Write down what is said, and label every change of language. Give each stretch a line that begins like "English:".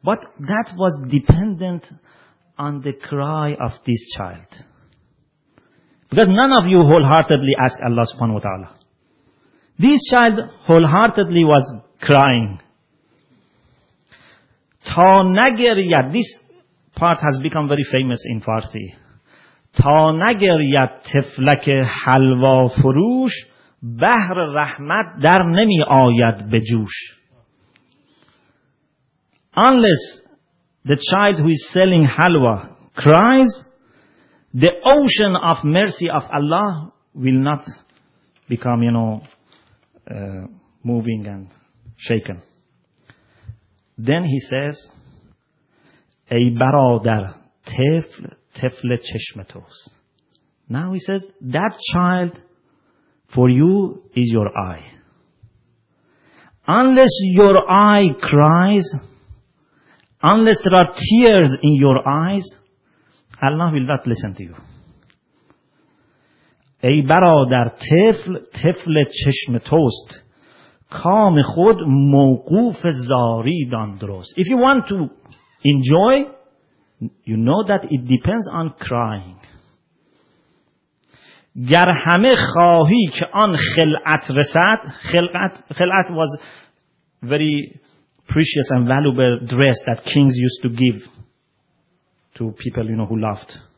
English: But that was dependent on the cry of this child. Because none of you wholeheartedly ask Allah subhanahu wa ta'ala. This child wholeheartedly was crying.
Persian: تا نگرید.
English: This part has become very famous in Farsi.
Persian: تا نگرید طفلک حلوا فروش بحر رحمت در نمی آید به جوش.
English: Unless the child who is selling halwa cries, the ocean of mercy of Allah will not become, you know, moving and shaken. Then he says,
Persian: ای برادر طفل طفل چشم توست.
English: Now he says, that child for you is your eye. Unless your eye cries, unless there are tears in your eyes, Allah will not listen to you.
Persian: ای برادر طفل طفل چشم توست. کام خود موقوف زاری دان درست.
English: If you want to enjoy, you know that it depends on crying.
Persian: گر همه خواهی که آن خلعت رسد.
English: خلعت was very precious and valuable dress that kings used to give to people, you know, who loved.